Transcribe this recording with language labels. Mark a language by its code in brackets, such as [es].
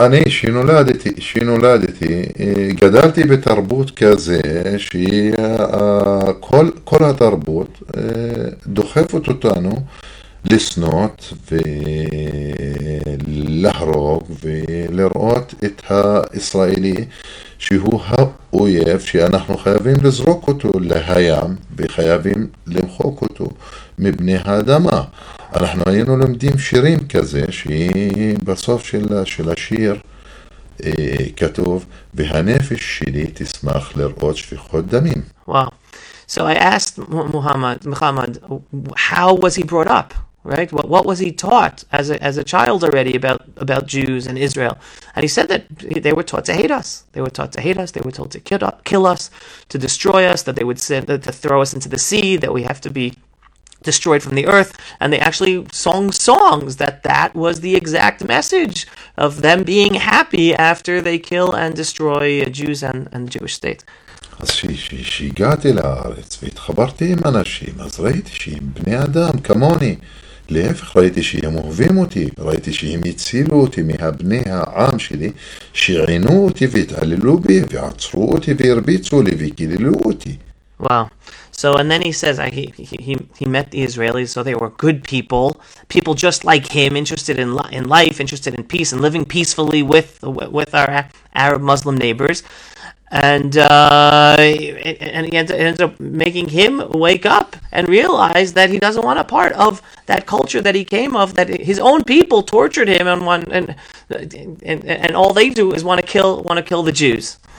[he] אני שנולדתי, גדלתי בתרבות כזה שכל התרבות דוחפת אותנו לסנות ולהרוג ולראות את הישראלי שהוא האויב שאנחנו חייבים לזרוק אותו להים וחייבים למחוק אותו מבני האדמה. אנחנו היינו לומדים שירים כזה שבסוף של השיר כתוב והנפש שלי תשמח לראות שפיכות דמים. [en] Wow. So I asked Muhammad, how was he brought up? Right? What was he taught as a child already about Jews and Israel? And he said that they were taught to hate us. They were taught to hate us. They were told to kill us, to destroy us, that they would send to throw us into the sea, that we have to be destroyed from the earth, and they actually sung songs that was the exact message of them being happy after they kill and destroy Jews and the Jewish state. [he] אז שהגעתי לארץ והתחברתי עם אנשים, אז ראיתי שהם בני אדם כמוני, להפך ראיתי שהם אוהבים אותי, ראיתי שהם הצילו אותי מהבני העם שלי, שעינו אותי והתעללו בי ועצרו אותי והרביצו לי וקיללו אותי. [en] Wow. So, and then he says he met the Israelis, so they were good people, people just like him, interested in life, interested in peace, and living peacefully with our Arab Muslim neighbors. And he ends up making him wake up and realize that he doesn't want a part of that culture that he came of, that his own people tortured him and all they do is want to kill the Jews.